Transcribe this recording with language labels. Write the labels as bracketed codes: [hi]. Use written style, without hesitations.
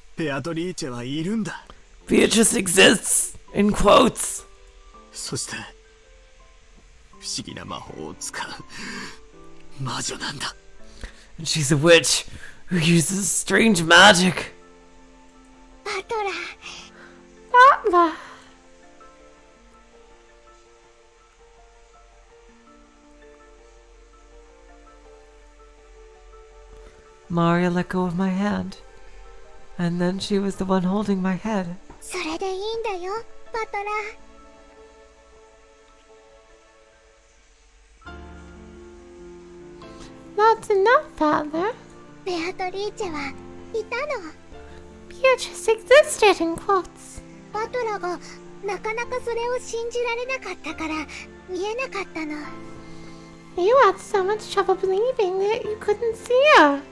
[ja] ベアトリーチェはいるんだ。 [en] Beatrice exists, in quotes. [ja] そして、不思議な魔法を使う魔女なんだ。 [en] And she's a witch who uses strange magic. [ja] バトラ。バトラ。 [en] Maria let go of my hand, and then she was the one holding my head. [ja] それでいいんだよ、バトラ。 [en] That's enough, Father. [ja] ベアトリーチェはいたの。 [en] Beatrice existed in quotes. [ja] バトラがなかなかそれを信じられなかったから見えなかったの。 [en] You had so much trouble believing that you couldn't see her.